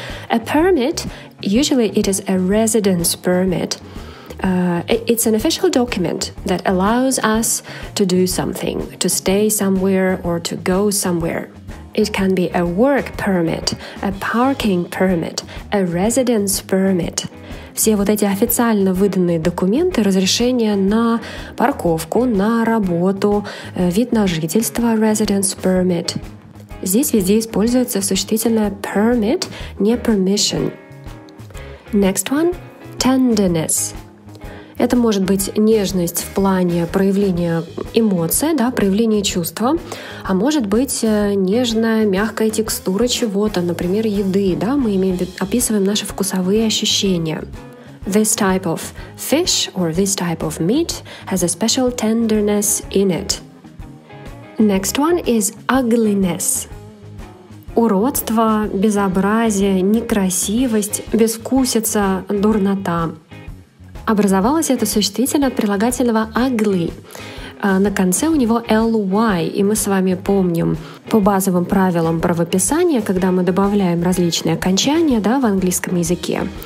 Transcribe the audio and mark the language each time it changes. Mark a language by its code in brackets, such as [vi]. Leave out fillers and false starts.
[en] A permit, usually it is a residence permit. It's an official document that allows us to do something, to stay somewhere or to go somewhere. It can be a work permit, a parking permit, a residence permit. [ru] Все вот эти официально выданные документы, разрешение на парковку, на работу, вид на жительство, residence permit. Здесь везде используется существительное permit, не permission. [en] Next one – tenderness. [ru] Это может быть нежность в плане проявления эмоций, да, проявления чувства, а может быть нежная, мягкая текстура чего-то, например, еды, да, мы описываем наши вкусовые ощущения. [en] this type of fish or this type of meat has a special tenderness in it. Next one is ugliness. [ru] Уродство, безобразие, некрасивость, безвкусица, дурнота. Образовалось это существительное от прилагательного ugly. На конце у него ly, и мы с вами помним по базовым правилам правописания, когда мы добавляем различные окончания, да, в английском языке.